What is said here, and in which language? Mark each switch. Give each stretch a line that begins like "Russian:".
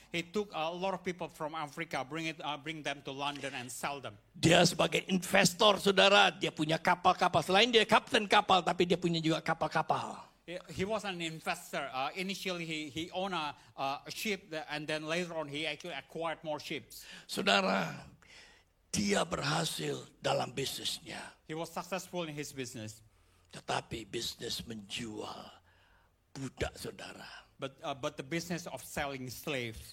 English: He took a lot of people from Africa, bring them to London and sell them.
Indonesian: Dia sebagai investor, saudara, dia punya kapal-kapal. Selain dia kapten kapal, tapi dia punya juga kapal-kapal.
English: He was an investor. Initially, he owned a ship, and then later on, he actually acquired more ships.
Indonesian: Saudara, dia berhasil dalam bisnisnya.
English: He was successful in his business.
Indonesian: Tetapi bisnis menjual budak, saudara.
English: But the business of selling slaves.